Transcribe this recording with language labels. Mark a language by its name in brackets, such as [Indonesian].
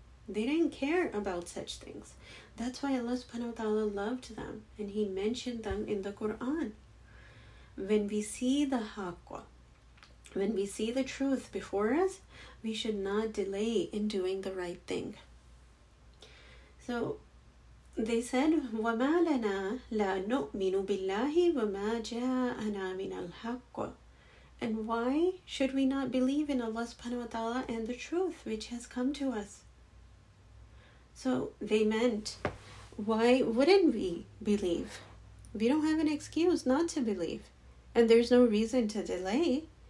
[English] They didn't care about such things. That's why Allah subhanahu wa ta'ala loved them and He mentioned them in the Quran. When we see the haqqa, when we see the truth before us, we should not delay in doing the right thing. So they said, [Arabic] وَمَا لَنَا لَا نُؤْمِنُ بِاللَّهِ وَمَا جَاءَنَا مِنَ الْحَقِّ. [English] And why should we not believe in Allah subhanahu wa ta'ala and the truth which has come to us? So they meant, why wouldn't we believe? We don't have an excuse not to believe. And there's no reason to delay.